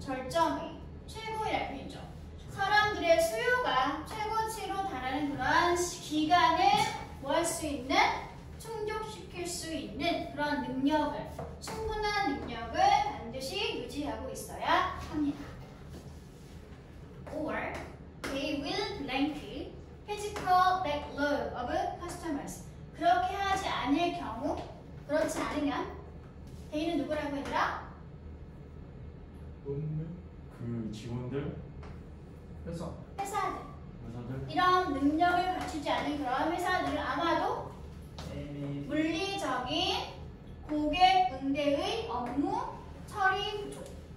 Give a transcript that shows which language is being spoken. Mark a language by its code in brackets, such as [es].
[ko] 절정이. 최고의 표현이죠. 사람들의 수요가 최고치로 달하는 그런 기간을 뭐 할 수 있는? 충족시킬 수 있는 그런 능력을 충분한 능력을 반드시 유지하고 있어야 합니다. [en] Or they will blank physical backlog of customers. [ko] 그렇게 하지 않을 경우 그렇지 않으면 they는 누구라고 얘들아? 그 직원들? 회사. 회사들. 회사들? 이런 능력을 갖추지 않은 그런 회사들 아마도 물리적인 고객 응대의 업무 처리 부족.